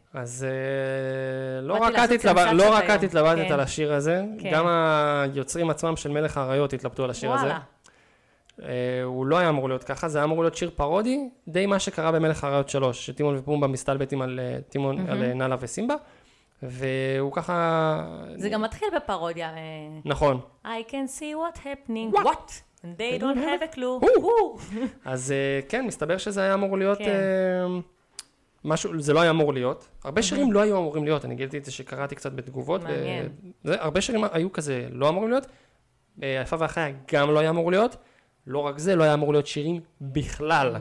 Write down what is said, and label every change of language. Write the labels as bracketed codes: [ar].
[he] אז לא רק את התלבטת על השיר הזה, גם היוצרים עצמם של מלך האריות התלבטו על השיר הזה. וואלה. הוא לא היה אמור להיות ככה, זה היה אמור להיות שיר פרודי, די מה שקרה במלך האריות 3, שטימון ופומבה מסתלבטים על טימון, על נאלה וסימבה, והוא ככה... זה גם מתחיל בפרודיה. נכון. [en] I can see what happening, what? And they don't have a clue. [he] אז כן, מסתבר שזה היה אמור להיות משהו, זה לא היה אמור להיות. הרבה שירים לא היו אמורים להיות, אני גילתי את זה שקראתי קצת בתגובות. מעניין. הרבה שירים היו כזה לא אמורים להיות, היפה והחיה גם לא היה אמור להיות, לא רק זה, לא היה אמור להיות שירים בכלל.